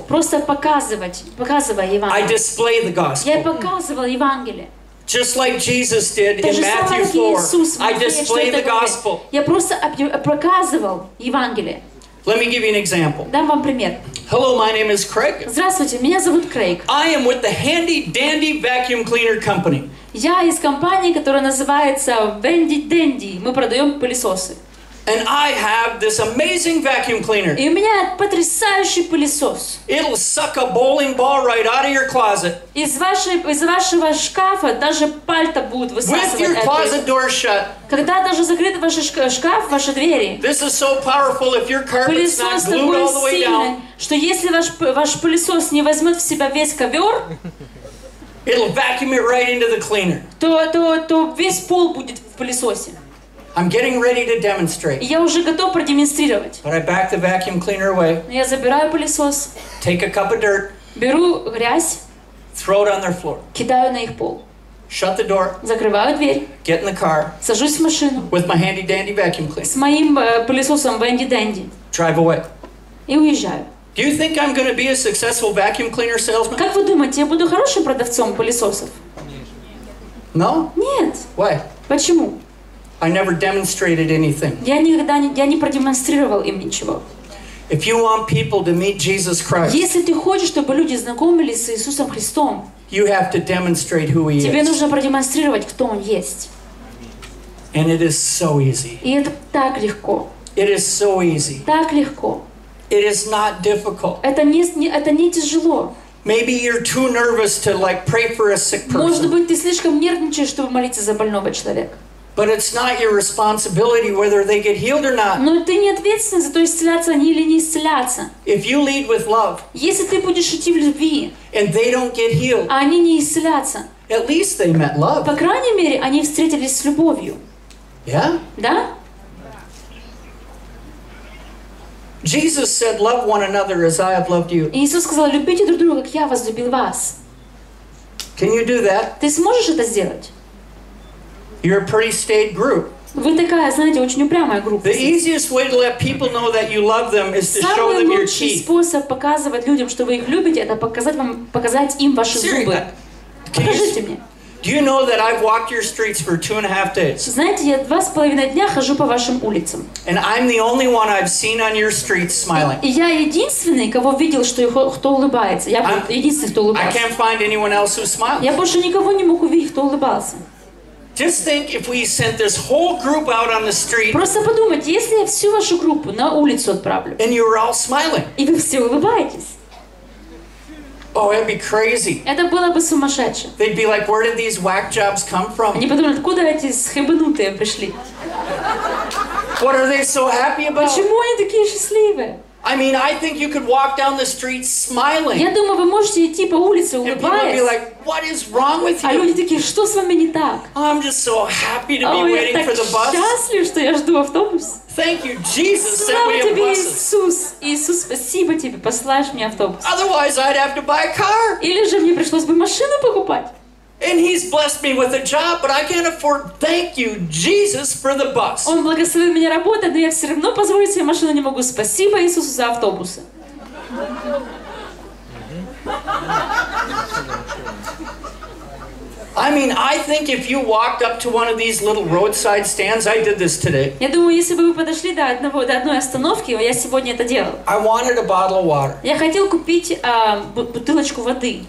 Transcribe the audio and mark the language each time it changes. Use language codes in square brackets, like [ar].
[ru] Просто показывая Евангелие. [en] I display the gospel. [ru] Я показывал Евангелие. [en] Just like Jesus did in Matthew 4. I display the gospel. [ru] Я просто показывал Евангелие. [en] Let me give you an example. [ru] Дам вам пример. [en] Hello, my name is Craig. [ru] Здравствуйте, меня зовут Крейг. [en] I am with the Handy Dandy Vacuum Cleaner Company. [ru] Я из компании, которая называется Handy Dandy. Мы продаем пылесосы. [en] And I have this amazing vacuum cleaner. [ru] И у меня потрясающий пылесос. [en] It'll suck a bowling ball right out of your closet. [ru] Из вашего шкафа даже пальто будет высасывать. [en] With your closet door shut. [ru] Когда даже закрыт ваш шкаф, ваши двери. [en] This is so powerful if your carpet's not glued all the way down. [ru] Что если ваш пылесос не возьмет в себя весь ковер, [en] it'll vacuum it right into the cleaner. [ru] То весь пол будет в пылесосе. [en] I'm getting ready to demonstrate. [ru] Я уже готов продемонстрировать. [en] But I back the vacuum cleaner away. [ru] Я забираю пылесос. [en] Take a cup of dirt. [ru] Беру грязь. [en] Throw it on their floor. [ru] Кидаю на их пол. [en] Shut the door. [ru] Закрываю дверь. [en] Get in the car. [ru] Сажусь в машину. [en] With my handy dandy vacuum cleaner. [ru] С моим пылесосом Handy Dandy. [en] Drive away. [ru] И уезжаю. [en] Do you think I'm going to be a successful vacuum cleaner salesman? [ru] Как вы думаете, я буду хорошим продавцом пылесосов? [en] No? [ru] Нет. [en] Why? [ru] Почему? [en] I never demonstrated anything. [ru] Я никогда не продемонстрировал им ничего. [en] If you want people to meet Jesus Christ, [ru] если ты хочешь, чтобы люди знакомились с Иисусом Христом, [en] you have to demonstrate who he is. [ru] Тебе нужно продемонстрировать, кто он есть. [en] And it is so easy. [ru] И это так легко. [en] It is so easy. [ru] Так легко. [en] It is not difficult. [ru] Это не тяжело. [en] Maybe you're too nervous to like pray for a sick person. [ru] Может быть, ты слишком нервничаешь, чтобы молиться за больного человека. [en] But it's not your responsibility whether they get healed or not. [ru] Но ты не ответственен за то, исцелятся они или не исцелятся. [en] If you lead with love, [ru] если ты будешь идти в любви, [en] and they don't get healed, [ru] а они не исцелятся, [en] at least they met love. [ru] По крайней мере, они встретились с любовью. [en] Yeah? [ru] Да? [en] Jesus said, "Love one another as I have loved you." [ru] Иисус сказал: «Любите друг друга, как я возлюбил вас». [en] Can you do that? [ru] Ты сможешь это сделать? [en] You're a pretty staid group. [ru] Вы такая, знаете, очень упрямая группа. [en] The easiest way to let people know that you love them is to show them your teeth. [ru] Самый лучший способ показывать людям, что вы их любите, это показать им ваши зубы. Покажите мне. [en] Do you know that I've walked your streets for 2.5 days? [ru] Знаете, я 2.5 дня хожу по вашим улицам. [en] And I'm the only one I've seen on your streets smiling. [ru] И я единственный, кого видел, что кто улыбается. Я единственный, кто улыбался. [en] I can't find anyone else who smiles. [ru] Я больше никого не мог увидеть, кто улыбался. [en] Just think if we sent this whole group out on the street. [ru] Просто подумайте, если я всю вашу группу на улицу отправлю. [en] And you're all smiling. [ru] И вы все улыбаетесь. [en] Oh, it'd be crazy. [ru] Это было бы сумасшедше. [en] They'd be like, where did these whack jobs come from? [ru] Они подумают, откуда эти схебнутые пришли? [en] What are they so happy about? [ru] Почему они такие счастливые? [en] I mean, I think you could walk down the street smiling. [ru] Я думаю, вы можете идти по улице улыбаясь. [en] And people would be like, "What is wrong with you?" [ru] А люди такие: "Что с вами не так?" [en] Oh, I'm just so happy to be waiting for the bus. [ru] Я так счастлив, что я жду автобус. [en] Thank you, Jesus, sent me a bus. [ru] Слава тебе, Иисус. Иисус, спасибо тебе, посылаешь мне автобус. [en] Otherwise, I'd have to buy a car. [ru] Или же мне пришлось бы машину покупать. [en] And he's blessed me with a job, but I can't afford. Thank you, Jesus, for the bus. [ru] Он благословил меня работой, но я все равно позволить себе машину не могу. Спасибо Иисусу за автобусы. [en] I mean, I think if you walked up to one of these little roadside stands, I did this today. [ru] Я думаю, если бы вы подошли до одной остановки, я сегодня это делал. [en] I wanted a bottle of water. [ru] Я хотел купить бутылочку воды.